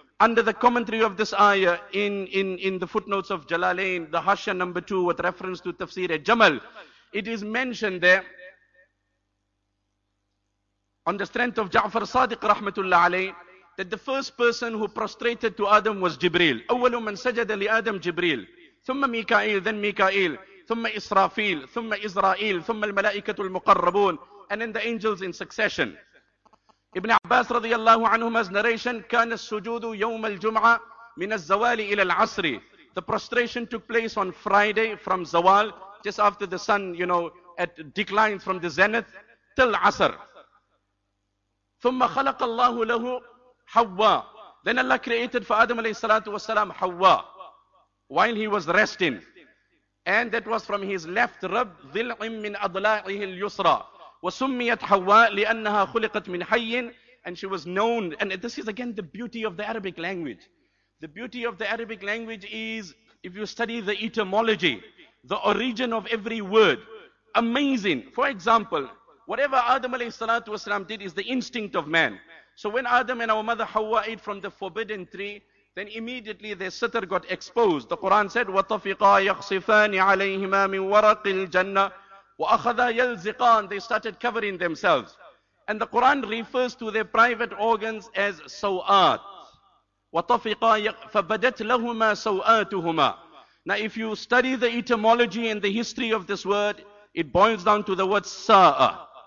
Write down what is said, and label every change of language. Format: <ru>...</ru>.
<en>Under the commentary of this ayah, in the footnotes of Jalalain, the Hasha number 2 with reference to Tafsir al-Jamal, it is mentioned there, on the strength of Ja'far Sadiq rahmatullah alayh, that the first person who prostrated to Adam was Jibreel.</en> <ar>أول من سجد لآدم جبريل ثم ميكائيل</ar> <en>then</en> <ar>ميكائيل ثم إسرافيل ثم إسرائيل ثم الملائكة المقربون</ar> <en>and then the angels in succession.</en> <ar>Ibn Abbas رضي الله عنهما's narration كان السجود يوم الجمعة من الزوال إلى العصر.</ar> <en>The prostration took place on Friday from Zawal, just after the sun, you know, at decline from the zenith, till Asr.</en> <ar>ثم خلق الله له حواء.</ar> <en>Then Allah created for Adam عليه الصلاة والسلام حواء while he was resting. And that was from his left rib,</en> <ar>ضلع من أضلاعه اليسرى. وسميت حواء لأنها خلقت من حي.</ar> <en>And she was known, and this is again the beauty of the Arabic language. The beauty of the Arabic language is, if you study the etymology, the origin of every word, amazing. For example, whatever Adam alayhi salatu wasalam did is the instinct of man. So when Adam and our mother Hawa ate from the forbidden tree, then immediately their sitter got exposed. The Quran said,</en> <ar>وَطَفِقَا يَخْصِفَانِ عَلَيْهِمَا مِنْ وَرَقِ الْجَنَّةِ وَأَخَذَا يَلْزِقَانِ.</ar> <en>They started covering themselves. And the Quran refers to their private organs as سوآت.</en> <ar>وَطَفِقَا فَبَدَتْ لَهُمَا سَوْآتُهُمَا.</ar> <en>Now if you study the etymology and the history of this word, it boils down to the word سَاءَ.</en>